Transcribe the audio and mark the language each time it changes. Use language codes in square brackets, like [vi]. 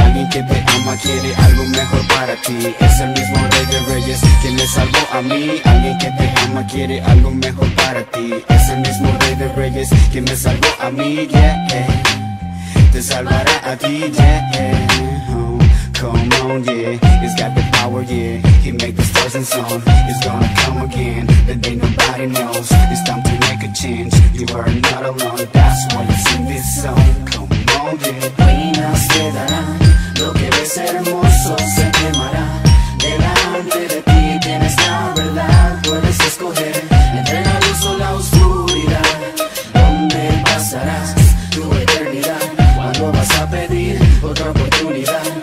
[es] Que te ama, quiere algo mejor para ti. Es el mismo Rey de Reyes quien me salvó a mí. Alguien que te ama, quiere algo mejor para ti. Es el mismo Rey de Reyes quien me salvó a mí, yeah. Te salvará a ti, yeah. [en] Come on, yeah, he's got the power, yeah. He make the stars and sun. It's gonna come again, the day nobody knows. It's time to make a change, you are not alone. That's why you sing this song, come on, yeah. [es] Reina se dará, lo que ves hermoso se quemará. Delante de ti tienes la verdad. Puedes escoger entre la luz o la oscuridad. ¿Dónde pasarás tu eternidad? ¿Cuándo vas a pedir otra oportunidad?